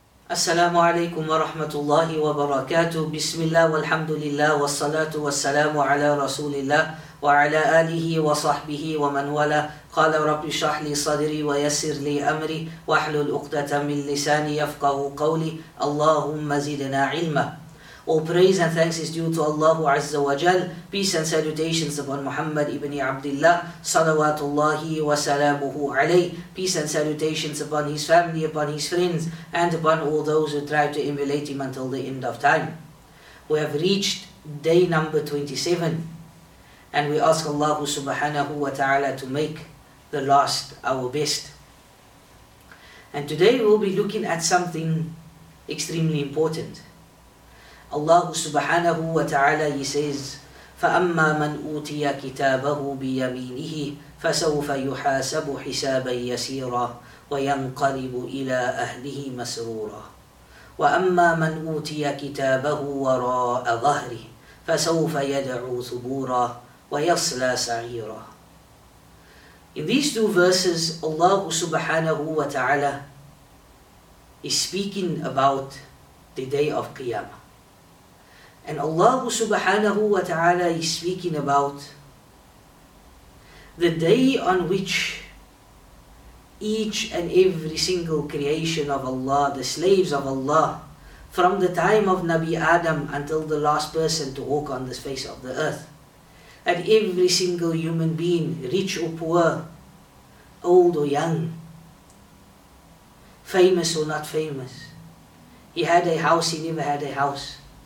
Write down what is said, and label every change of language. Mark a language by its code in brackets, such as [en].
[ar] السلام عليكم ورحمة الله وبركاته. بسم الله والحمد لله والصلاة والسلام على رسول الله وعلى آله وصحبه ومن والاه. قال رب اشرح لي صدري ويسر لي أمري واحلل عقدة من لساني يفقه قولي اللهم زدنا علما. [en] All praise and thanks is due to Allah Azza wa Jal. Peace and salutations upon Muhammad ibn Abdullah, [ar] salawatullahi wa salamuhu alayh. [en] Peace and salutations upon his family, upon his friends, and upon all those who try to emulate him until the end of time. We have reached day number 27, and we ask Allah subhanahu wa ta'ala to make the last our best. And today we'll be looking at something extremely important. Allah subhanahu wa ta'ala, he says, [ar] فَأَمَّا مَنْ أُوْتِيَ كِتَابَهُ بِيَمِينِهِ فَسَوْفَ يُحَاسَبُ حِسَابًا يَسِيرًا وَيَنْقَلِبُ إِلَىٰ أَهْلِهِ مَسْرُورًا وَأَمَّا مَنْ أُوْتِيَ كِتَابَهُ وَرَاءَ ظَهْرِهِ فَسَوْفَ يَدْعُو ثُبُورًا وَيَصْلَى سَعِيرًا. [en] In these two verses, Allah subhanahu wa ta'ala is speaking about the day of Qiyamah. And Allah subhanahu wa ta'ala is speaking about the day on which each and every single creation of Allah, the slaves of Allah, from the time of Nabi Adam until the last person to walk on the face of the earth, and every single human being, rich or poor, old or young, famous or not famous, he had a house, he never had a house.